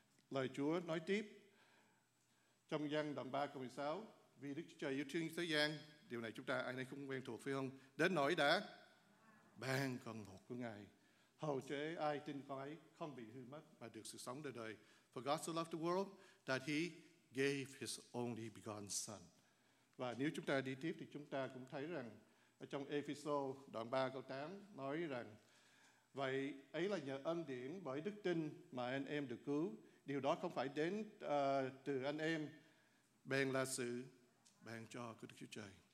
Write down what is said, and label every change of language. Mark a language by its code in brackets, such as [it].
[vi] Lời Chúa nói tiếp trong Giăng đoạn 3 câu 16, vì Đức Chúa Trời yêu thương thế gian, điều này chúng ta ai nấy cũng quen thuộc phải không? Đến nỗi đã ban con một của Ngài, hầu cho ai tin con ấy không bị hư mất mà được sự sống đời đời. [en] For God so loved the world that He gave His only begotten Son. [vi] Và nếu chúng ta đi tiếp thì chúng ta cũng thấy rằng ở trong Ephesos đoạn 3 câu 8 nói rằng vậy ấy là nhờ ân điển bởi đức tin mà anh em được cứu. Điều đó không phải đến từ anh em, bèn là sự ban cho của Đức Chúa Trời.